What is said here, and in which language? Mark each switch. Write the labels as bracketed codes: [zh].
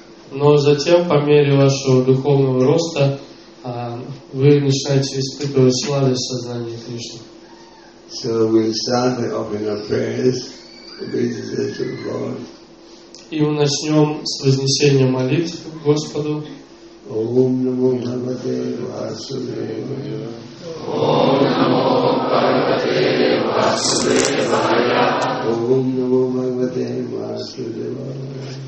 [ru] Но затем, по мере вашего духовного роста, вы начинаете испытывать сладость сознания Кришны. [en] So we start by offering our prayers, obeisances to the Lord. [ru] И мы начнем с вознесения молитв Господу. [sa] Ом намо Бхагавате Васудевая. Ом намо Бхагавате Васудевая.